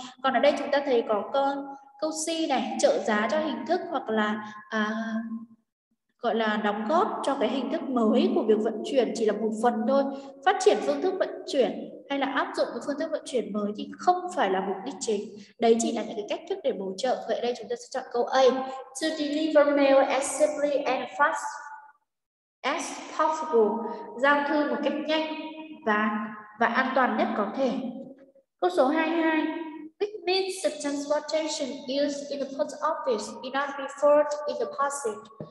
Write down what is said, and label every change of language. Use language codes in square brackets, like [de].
[vi] Còn ở đây chúng ta thấy có câu C này, trợ giá cho hình thức hoặc là gọi là đóng góp cho cái hình thức mới của việc vận chuyển chỉ là một phần thôi. Phát triển phương thức vận chuyển hay là áp dụng phương thức vận chuyển mới thì không phải là mục đích chính. Đấy chỉ là những cái cách thức để bổ trợ. Vậy đây chúng ta sẽ chọn câu A. [en] To deliver mail as simply and fast as possible. [vi] Giao thư một cách nhanh và an toàn nhất có thể. Câu số 22. [en] It means the transportation used in the post office is not referred in the passage.